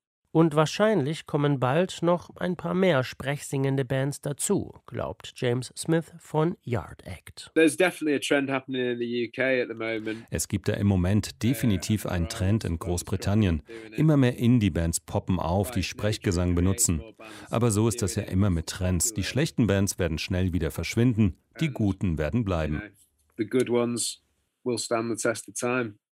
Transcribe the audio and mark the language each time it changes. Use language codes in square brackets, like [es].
[de] Und wahrscheinlich kommen bald noch ein paar mehr sprechsingende Bands dazu, glaubt James Smith von Yard Act. [en] There's definitely a trend happening in the UK at the moment. [de] Es gibt da im Moment definitiv einen Trend in Großbritannien. Immer mehr Indie-Bands poppen auf, die Sprechgesang benutzen. Aber so ist das ja immer mit Trends. Die schlechten Bands werden schnell wieder verschwinden, die guten werden bleiben. [en] The good ones will stand the test of time.